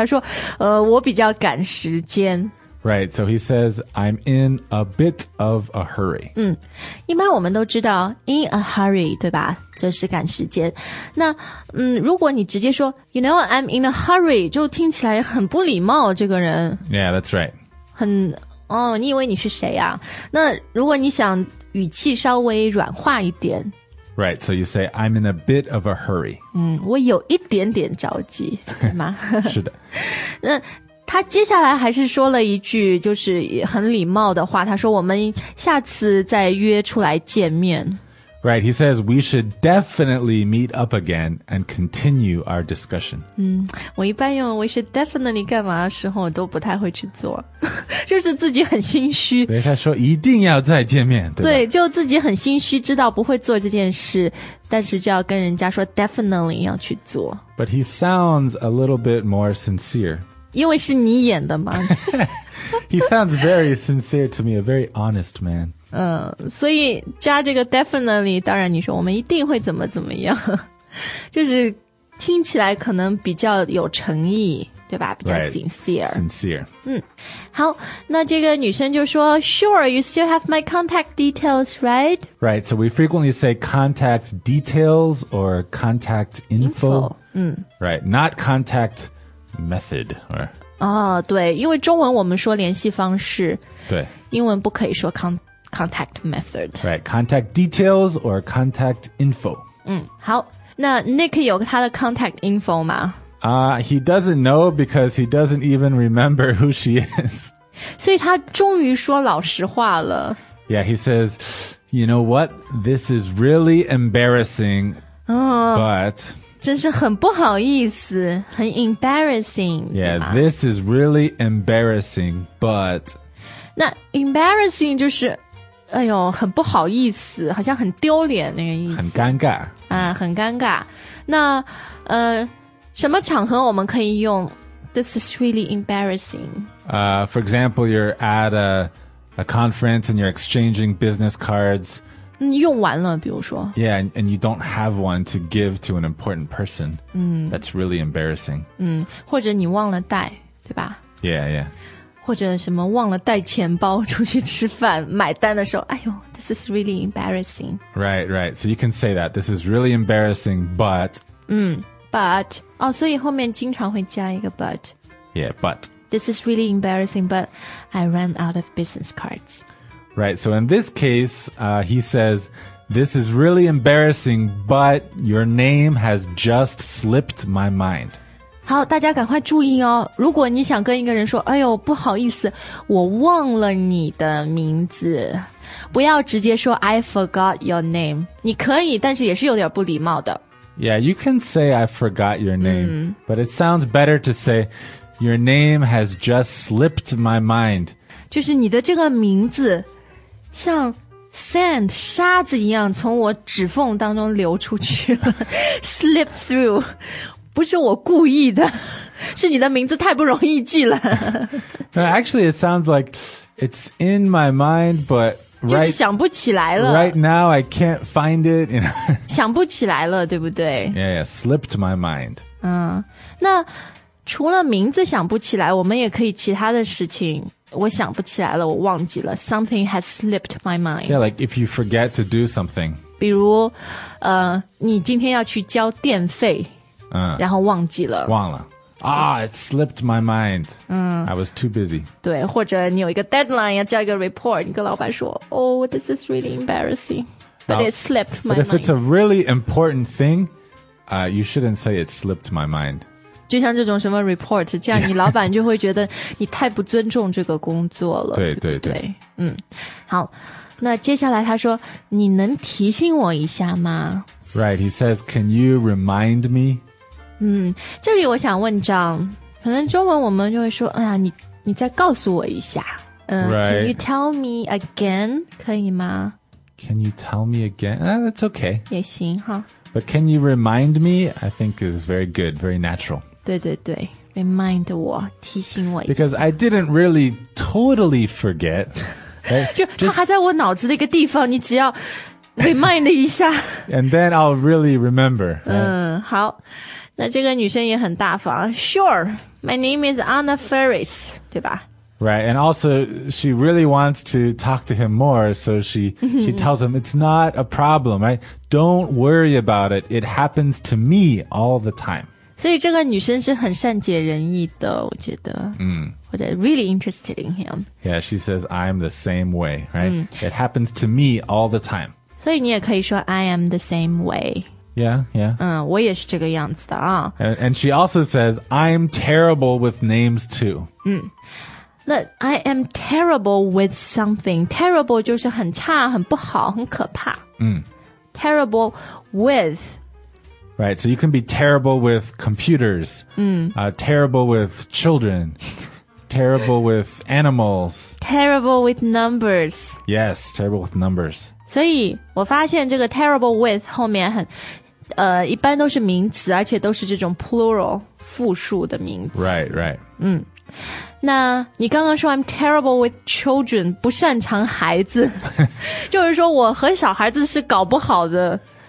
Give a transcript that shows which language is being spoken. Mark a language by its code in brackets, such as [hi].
[zh] 他说，我比较赶时间。 [en] Right, so he says, I'm in a bit of a hurry. [zh] 嗯，一般我们都知道 [en] in a hurry, [zh] 对吧？就是赶时间。那，嗯，如果你直接说 [en] you know, I'm in a hurry, [zh] 就听起来很不礼貌，这个人。 [en] Yeah, that's right. [zh] 很，哦，你以为你是谁啊？那如果你想语气稍微软化一点。 [en] Right, so you say, I'm in a bit of a hurry. [zh] 嗯，我有一点点着急，对吗？是的。那他接下来还是说了一句就是很礼貌的话，他说我们下次再约出来见面。 [en] Right, he says we should definitely meet up again and continue our discussion. [zh] 嗯，我一般用 [en] we should definitely [zh] 干嘛的时候我都不太会去做，就是自己很心虚。对，他说一定要再见面，对吧？对，就自己很心虚，知道不会做这件事，但是就要跟人家说 definitely 要去做。 [en] But he sounds a little bit more sincere. [zh] 因为是你演的嘛 [en] He sounds very sincere to me, a very honest man. [zh] 嗯，所以加这个 definitely, 当然你说我们一定会怎么怎么样，就是听起来可能比较有诚意，对吧？比较 sincere. [en] Right, sincere. [zh] 嗯，好，那这个女生就说 [en] Sure, you still have my contact details, right? Right, so we frequently say contact details or contact info. [zh] 嗯 [en] Right, not contact method or [zh] 哦，对，因为中文我们说联系方式，对，英文不可以说 [en] contact method, right? Contact details or contact info. [zh] 嗯，好，那 Nick 有他的 [en] contact info [zh] 吗？ [en] He doesn't know because he doesn't even remember who she is. [zh] 所以他终于说老实话了。 [en] Yeah, he says, "You know what? This is really embarrassing,、but." [zh] 真是很不好意思，很 embarrassing. [en] Yeah, this is really embarrassing, but. [zh] 那 embarrassing 就是，哎呦，很不好意思，好像很丢脸那个意思。很尴尬。啊，很尴尬。那，什么场合我们可以用 [en] this is really embarrassing? For example, you're at a conference and you're exchanging business cards. [zh] 用完了比如说 [en] Yeah, and you don't have one to give to an important person、That's really embarrassing、 [zh] 或者你忘了带对吧 [en] Yeah, yeah [zh] 或者什么忘了带钱包出去吃饭买单的时候哎呦 [en] This is really embarrassing Right, right So you can say that This is really embarrassing But、 [zh] but, 哦，所以后面经常会加一个 but. [en] Yeah, but. This is really embarrassing, but I ran out of business cards. Right, so in this case, he says, this is really embarrassing, but your name has just slipped my mind. [zh] 好，大家赶快注意哦，如果你想跟一个人说，哎呦，不好意思，我忘了你的名字。不要直接说 [en] I forgot your name. [zh] 你可以，但是也是有点不礼貌的。 [en] Yeah, you can say I forgot your name,、mm. but it sounds better to say your name has just slipped my mind. [zh] 就是你的这个名字像 sand, 沙子一样从我指缝当中流出去了。 [en] Slip through. [zh] 不是我故意的，是你的名字太不容易记了。 [en] No, actually, it sounds like it's in my mind, but... [zh] 就是想不起来了。 [en] Right now, I can't find it. You know? [zh] 想不起来了，对不对？ [en] Yeah, yeah, slipped my mind. [zh] 嗯，那除了名字想不起来，我们也可以其他的事情，我想不起来了，我忘记了。 [en] Something has slipped my mind. Yeah, like if you forget to do something. [zh] 比如，你今天要去交电费，嗯，然后忘记了。忘了。 [en] Ah, it slipped my mind. I was too busy. [zh] 对，或者你有一个 deadline 要交一个 report, 你跟老板说 [en] Oh, this is really embarrassing. But it slipped my mind. But if it's a really important thing, you shouldn't say it slipped my mind. [zh] 就像这种什么 report, 这样你老板就会觉得你太不尊重这个工作了。对对对。嗯，好，那接下来他说，你能提醒我一下吗？ [en] Right, he says, can you remind me? [zh] 嗯，这里我想问John，可能中文我们就会说，哎呀，你再告诉我一下， [en] Right. Can you tell me again? [zh] 可以吗？ [en] Can you tell me again? That's okay. [zh] 也行哈。 [en] But can you remind me? I think it's very good, very natural. [zh] 对对对 ，remind 我，提醒我一下。 [en] Because I didn't really totally forget. [zh] 就他还在我脑子的一个地方，你只要 remind 一下。 [en] And then I'll really remember. [zh] 嗯，好。那这个女生也很大方。 [en] Sure, my name is Anna Ferris, [zh] 对吧 [en] ？Right, and also she really wants to talk to him more, so she tells him it's not a problem, right? Don't worry about it. It happens to me all the time. [zh] 所以这个女生是很善解人意的，我觉得。嗯。或者 [en] really interested in him. Yeah, she says I'm the same way, right?、Mm. It happens to me all the time. [zh] 所以你也可以说 [en] I am the same way. Yeah, yeah. [zh] 嗯，我也是这个样子的啊。 [en] And she also says, I'm terrible with names too. [zh] 嗯，那 [en] I am terrible with something. [zh] Terrible 就是很差，很不好，很可怕。嗯。 [en] Terrible with. Right, so you can be terrible with computers. [zh] 嗯。 [en] Terrible with children. Terrible with animals. Terrible with numbers. Yes, terrible with numbers. [zh] 所以我发现这个 [en] terrible with [zh] 后面很一般都是名词而且都是这种 plural 复数的名词 [en] Right, right [zh] 嗯，那你刚刚说 [en] I'm terrible with children [zh] 不擅长孩子就是说我和小孩子是搞不好的